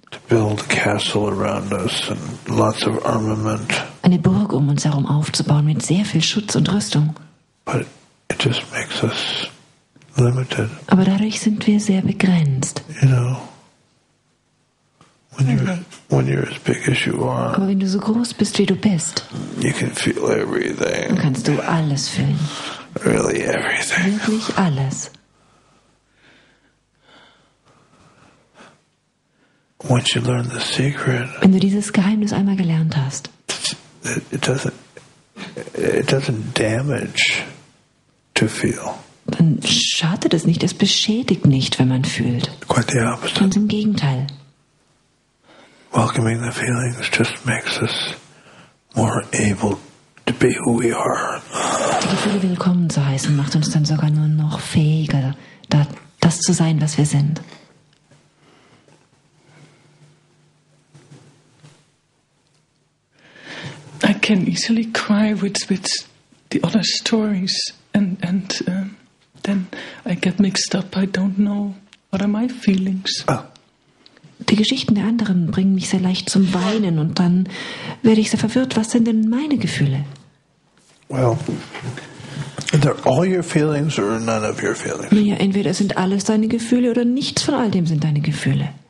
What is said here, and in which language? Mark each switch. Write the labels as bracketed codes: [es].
[en] To build a castle around us and lots of armament. [de] Eine Burg um uns herum aufzubauen mit sehr viel Schutz und Rüstung. [en] But it just makes us limited. [de] Aber dadurch sind wir sehr begrenzt. [en] You know, when you're as big as you are. [de] Aber wenn du so groß bist, wie du bist, [en] you can feel everything. [de] Dann kannst du alles fühlen. [en] Really everything. [de] Wirklich alles. [en] Once you learn the secret. [de] Wenn du dieses Geheimnis einmal gelernt hast. [en] It doesn't damage to feel. [de] Dann schadet es nicht, es beschädigt nicht, wenn man fühlt. [en] Quite the opposite. [de] Ganz im Gegenteil. [en] Welcoming the feelings just makes us more able to be who we are. [de] Die Gefühle willkommen zu heißen, macht uns dann sogar nur noch fähiger, das zu sein, was wir sind. [en] I can easily cry with the other stories and then I get mixed up. I don't know what are my feelings. Oh. [de] Die Geschichten der anderen bringen mich sehr leicht zum Weinen und dann werde ich sehr verwirrt. Was sind denn meine Gefühle? [en] Well, either all your feelings or none of your feelings. [de] Ja, entweder sind alles deine Gefühle oder nichts von all dem sind deine Gefühle.